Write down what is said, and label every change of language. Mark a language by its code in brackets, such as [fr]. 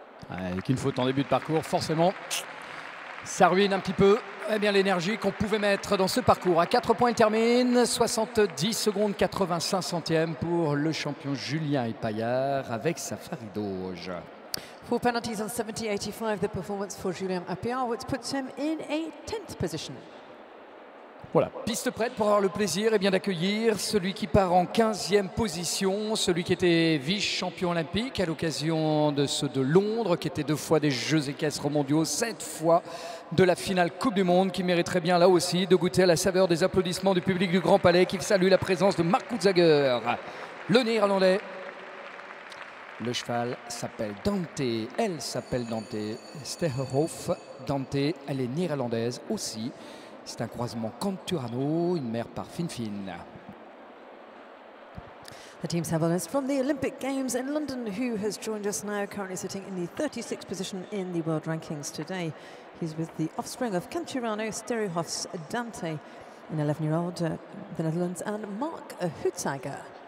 [fr] Avec une faute en début de parcours, forcément, ça ruine un petit peu eh bien, l'énergie qu'on pouvait mettre dans ce parcours. À 4 points, il termine, 70 secondes, 85 centièmes pour le champion Julien Epaillard avec Safari Doge. [en] Four penalties on 70-85, the performance for Julien Epaillard, which puts him in a 10th position. [fr] Voilà, piste prête pour avoir le plaisir eh bien, d'accueillir celui qui part en 15e position, celui qui était vice-champion olympique à l'occasion de ceux de Londres, qui était deux fois des Jeux équestres mondiaux, sept fois de la finale Coupe du Monde, qui mériterait bien là aussi de goûter à la saveur des applaudissements du public du Grand Palais, qui salue la présence de Marc Kutzager, le néerlandais. Le cheval s'appelle Dante, elle s'appelle Dante, Steherhof Dante, elle est néerlandaise aussi. C'est un croisement Canturano, une mère par Finfin. [en] The team's have us from the Olympic Games in London, who has joined us now, currently sitting in the 36th position in the world rankings today. He's with the offspring of Canturano, Steherhof's Dante, an 11-year-old in the Netherlands, and Mark Hutzager.